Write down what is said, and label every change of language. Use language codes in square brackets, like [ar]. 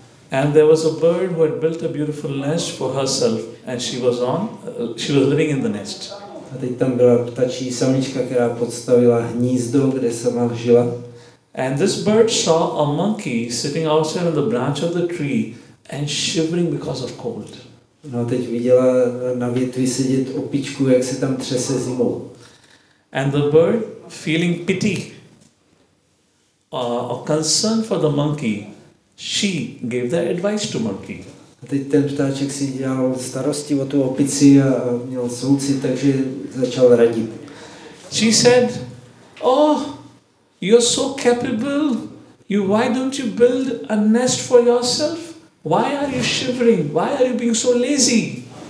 [en] And there was a bird who had built a beautiful nest for herself, and she was living in the nest. [cs] A teď tam byla ptačí samička, která podstavila hnízdo, kde sama žila. [en] And this bird saw a monkey sitting outside on the branch of the tree and shivering because of cold. [cs] No, teď viděla na větvi sedět opičku, jak se tam třese zimou. [en] And the bird, feeling pity or concern for the monkey, she gave the advice to monkey. [cs] A teď ten ptáček si dělal starosti o tu opici a měl soucit, takže začal radit. [en] She said, oh, you're so capable. Why don't you build a nest for yourself? Why are you shivering? Why are you being so lazy?